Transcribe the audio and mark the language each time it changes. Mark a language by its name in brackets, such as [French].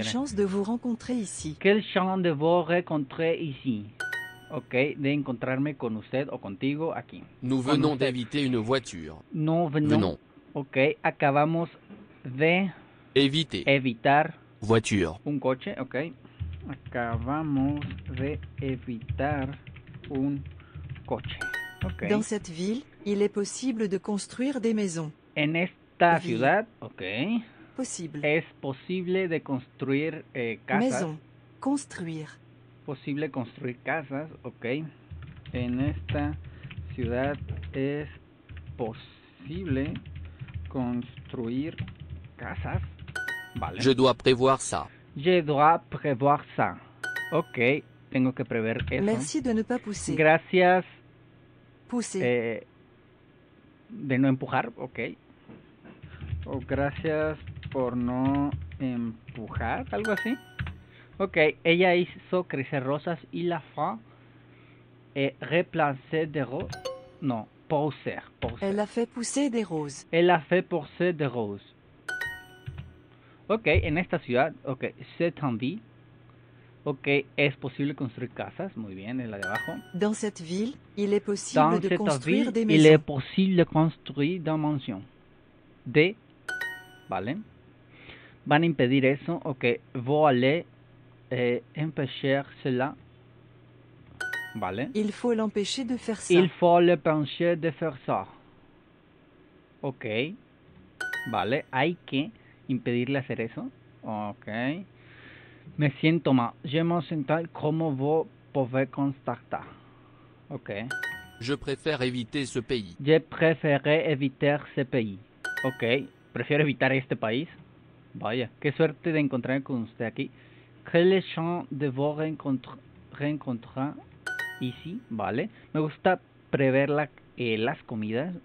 [French] Quelle chance de vous rencontrer ici. Quelle chance de vous rencontrer ici. [Spanish] Ok, de encontrarme con usted o contigo aquí. [French] Nous venons d'éviter une voiture. Non, venons. [Spanish] Ok, acabamos de... [French] Éviter. [Spanish] Evitar. [French] Voiture. [Spanish] Un coche, ok. Acabamos de evitar un coche. Okay. [French] Dans cette ville, il est possible de construire des maisons. [Spanish] En esta ciudad, ok. [French] Possible. [Spanish] Es posible de construir casas. Maison. Construir. Posible construir casas, ok. En esta ciudad es posible construir casas. Vale. [French] Je dois prévoir ça. Je dois prévoir ça. [Spanish] Ok, tengo que prever eso. [French] Merci de ne pas pousser. [Spanish] Gracias. [French] Pousser. [Spanish] De no empujar, ok. O gracias por no empujar, algo así. Ok, ella hizo crecer rosas y la fa replanté de rosas. [French] No, pousser. Elle a fait pousser des roses. Elle a fait pousser des roses. [Spanish] Okay, en esta ciudad, okay, [French] c'est en ville. [Spanish] Okay, es posible construir casas, muy bien, en la de abajo. [French] Dans cette ville, il est possible dans de construire ville, des maisons. Il est possible de construire des mansions. De, vale. [Spanish] Van a impedir eso, okay. [French] Vos allez empêcher cela. [Spanish] Vale. [French] Il faut l'empêcher de faire ça. Il faut l'empêcher de faire ça. Okay. [Spanish] Vale, hay que impedirle hacer eso. Ok. Me siento mal. [French] Je me sens mal. [Spanish] ¿Cómo vos [French] pouvez [Spanish] constatar? Ok. [French] Je préfère éviter ce pays. Je préfère éviter ce pays. Ok. [Spanish] Prefiero evitar este país. Vaya. Qué suerte de encontrarme con usted aquí. [French] Quelle chance de vous rencontrer ici. [Spanish] Vale. Me gusta prever las comidas.